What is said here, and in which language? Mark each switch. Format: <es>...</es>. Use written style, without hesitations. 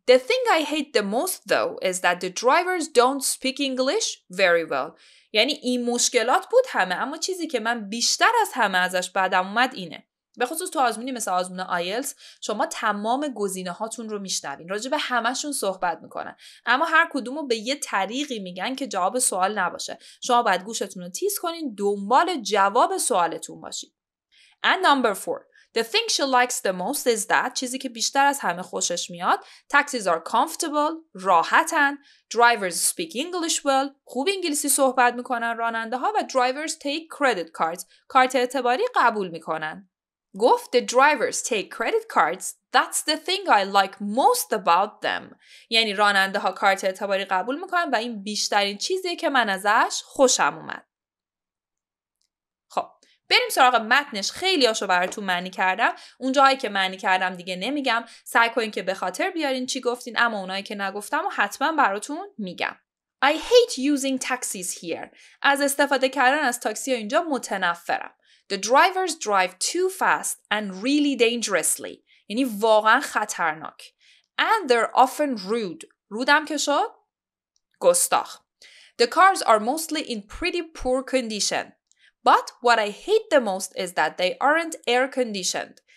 <en>The thing I hate the most though is that the drivers don't speak English very well.</en> <fa>یعنی این مشکلات بود همه. اما چیزی که من بیشتر از همه ازش بدم اومد اینه. به خصوص تو آزمونی مثل آزمون آیلتس شما تمام گزینه هاتون رو میشنوین. راجع به همشون صحبت میکنن. اما هر کدومو به یه طریقی میگن که جواب سوال نباشه. شما باید گوشتون رو تیز کنین دنبال جواب سوالتون باشین.</fa> <en>And number 4. The thing she likes the most is that</en> <fa>چیزی که بیشتر از همه خوشش میاد</fa> <en>taxis are comfortable,</en> <fa>راحتن,</fa> <en>drivers speak English well,</en> <fa>خوب انگلیسی صحبت میکنن راننده ها</fa> <en>و drivers take credit cards,</en> <fa>کارت اعتباری قبول میکنن.</fa> <en>گفت the drivers take credit cards, that's the thing I like most about them.</en> <fa>یعنی راننده ها کارت اعتباری قبول میکنن و این بیشترین چیزیه که من ازش خوشم اومد. خب بریم سراغ متنش. خیلی هاشو براتون معنی کردم. اونجاهایی که معنی کردم دیگه نمیگم. سعی کنین که به خاطر بیارین چی گفتین، اما اونایی که نگفتم و حتما براتون میگم.</fa> <en>I hate using taxis here.</en> <fa>از استفاده کردن از تاکسی اینجا متنفرم.</fa> <en>The drivers drive too fast and really dangerously.</en> <fa>یعنی واقعا خطرناک.</fa> <en>And they're often rude.</en> <fa>رود هم که شد؟ گستاخ.</fa> <en>The cars are mostly in pretty poor condition. But what I hate the most is that they aren't air conditioned.</en>